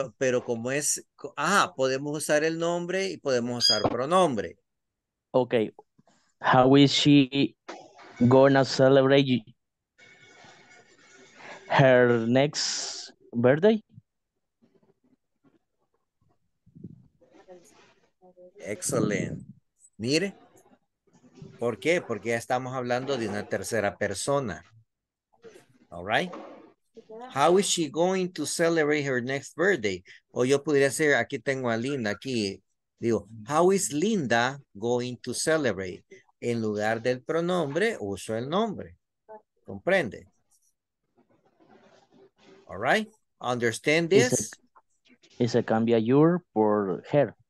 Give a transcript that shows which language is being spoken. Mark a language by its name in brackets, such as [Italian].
[Spanish] Pero como es, podemos usar el nombre y podemos usar pronombre. [English] Okay. How is she gonna celebrate her next birthday? Excellent. [Spanish] Mire. ¿Por qué? Porque ya estamos hablando de una tercera persona. [English] All right? How is she going to celebrate her next birthday? [Spanish] O yo podría decir, aquí tengo a Linda, aquí. Digo, [English] how is Linda going to celebrate? [Spanish] En lugar del pronombre, uso el nombre. ¿Comprende? [English] All right. Understand this. [Spanish] Ese cambia your por her.